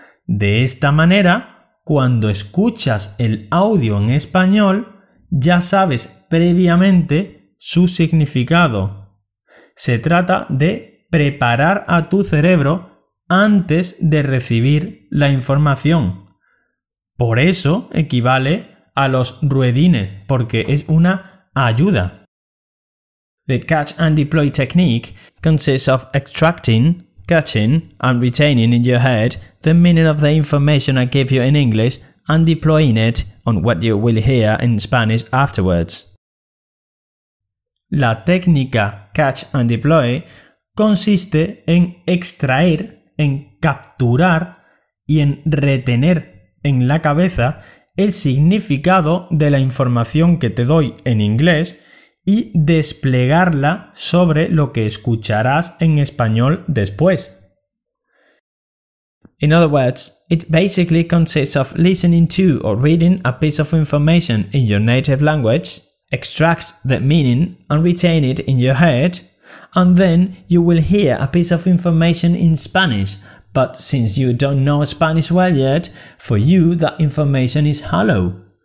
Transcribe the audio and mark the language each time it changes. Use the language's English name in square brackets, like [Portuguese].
[Spanish] De esta manera, cuando escuchas el audio en español, ya sabes previamente su significado. Se trata de preparar a tu cerebro antes de recibir la información. Por eso equivale a los ruedines, porque es una ayuda. [English] The catch and deploy technique consists of extracting, catching and retaining in your head the meaning of the information I give you in English and deploying it on what you will hear in Spanish afterwards. [Spanish] La técnica catch and deploy consiste en extraer, en capturar y en retener en la cabeza el significado de la información que te doy en inglés y desplegarla sobre lo que escucharás en español después. [English] In other words, it basically consists of listening to or reading a piece of information in your native language, extract the meaning and retain it in your head, and then you will hear a piece of information in Spanish, but since you don't know Spanish well yet, for you that information is hollow.